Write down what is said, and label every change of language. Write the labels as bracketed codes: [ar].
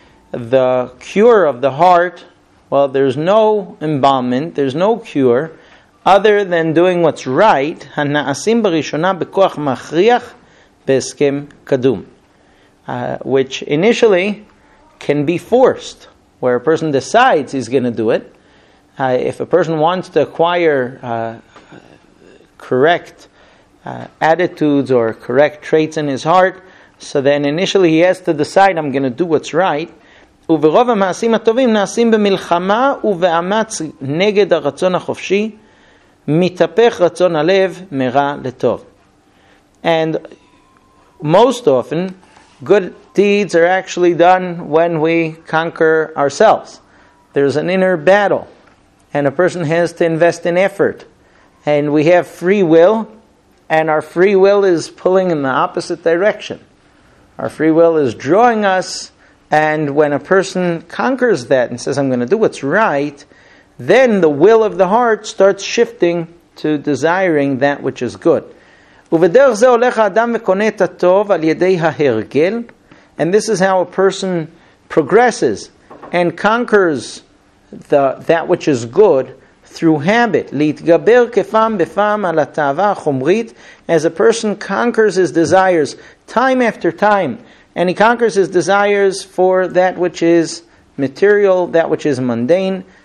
[en] The cure of the heart, well, there's no embalmment, there's no cure, other than doing what's right, [he] ha'na'asim b'rishona b'koach machriach b'eskem kadum, [en] which initially can be forced, where a person decides he's going to do it. If a person wants to acquire correct attitudes or correct traits in his heart, so then initially he has to decide, I'm going to do what's right. [he] וברוב המעשים הטובים נעשים במלחמה ובאמץ נגד הרצון החופשי, מתהפך רצון הלב מרע לטוב. [en] And most often, good deeds are actually done when we conquer ourselves. There's an inner battle, and a person has to invest in effort. And we have free will, and our free will is pulling in the opposite direction. Our free will is drawing us. And when a person conquers that and says, I'm going to do what's right, then the will of the heart starts shifting to desiring that which is good. [he] ובדרך זה הולך האדם וקונה את הטוב על ידי ההרגל. [en] And this is how a person progresses and conquers that which is good through habit. [he] להתגבר כפעם בפעם על התאווה החומרית, [en] as a person conquers his desires time after time. And he conquers his desires for that which is material, that which is mundane.